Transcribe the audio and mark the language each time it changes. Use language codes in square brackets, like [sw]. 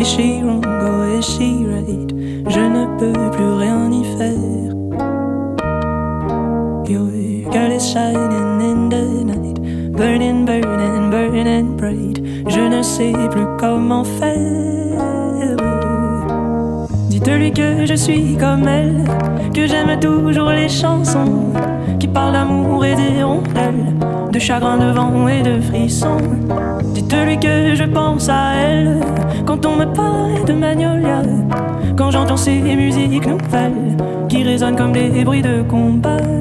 [en] Is she wrong or is she right? [fr] Je ne peux plus rien y faire. [en] Your girl is shining in the night, burning, burning, burning bright. [fr] Je ne sais plus comment faire. Dites-lui que je suis comme elle, que j'aime toujours les chansons qui parlent d'amour et des rondelles, de chagrin, de vent et de frissons. Dites-lui que je pense à elle quand on me parle de Magnolia, quand j'entends ces musiques nouvelles qui résonnent comme des bruits de combat.